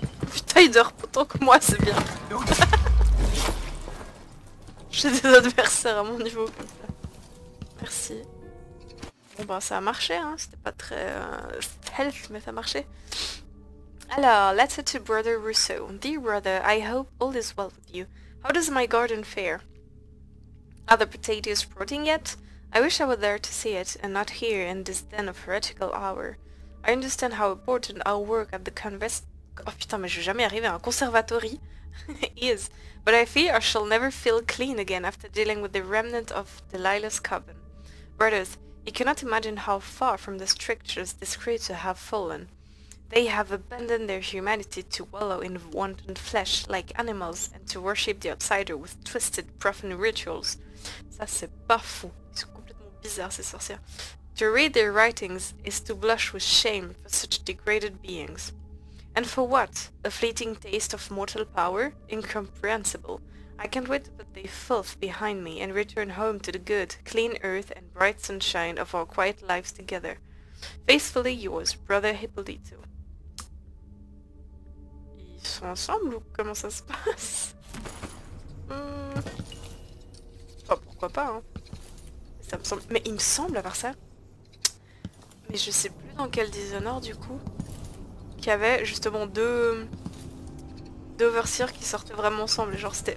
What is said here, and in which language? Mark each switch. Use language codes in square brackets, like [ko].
[fr] Putain, il dort autant que moi, c'est bien. J'ai des adversaires à mon niveau comme ça. Merci. Bon bah ça a marché, hein. C'était pas très stealth, mais ça a marché. [en] Alors, letter to Brother Russo. Dear Brother, I hope all is well with you. How does my garden fare? Are the potatoes sprouting yet? I wish I were there to see it, and not here in this den of heretical hour. I understand how important our work at the [fr] Oh putain, mais je vais jamais arriver à un [en] conservatory. Is, but I fear I shall never feel clean again after dealing with the remnant of Delilah's coven. Brothers, you cannot imagine how far from the strictures this creature have fallen. They have abandoned their humanity to wallow in wanton flesh like animals and to worship the outsider with twisted, profane rituals. [fr] Ça c'est pas fou. Ils sont complètement bizarres ces sorcières. [en] To read their writings is to blush with shame for such degraded beings. And for what? A fleeting taste of mortal power? Incomprehensible. I can't wait to put the filth behind me and return home to the good, clean earth and bright sunshine of our quiet lives together. Faithfully yours, Brother Hippolyto. [fr] Ils sont ensemble ou comment ça se passe? Oh, pourquoi pas, hein? Ça me semble... Mais il me semble à part ça. Mais je sais plus dans quel Dishonored du coup qu'il y avait justement deux overseers qui sortaient vraiment ensemble. Genre c'était...